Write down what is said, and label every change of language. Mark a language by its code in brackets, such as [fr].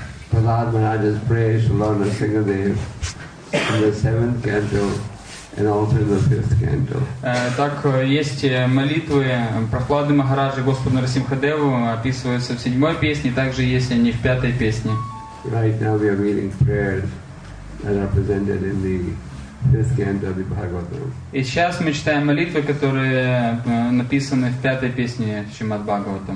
[en] the singer there in the seventh canto and also in the fifth canto. [ru] Так есть молитвы прохлады Махараджи Господу Нарасимхадеву описываются в седьмой песне, также есть они в пятой песне. [en] Right now we are reading prayers that are presented in the fifth canto of the Bhagavatam. [ru] И сейчас мы читаем молитвы, которые написаны в пятой песне Шримад Бхагаватам.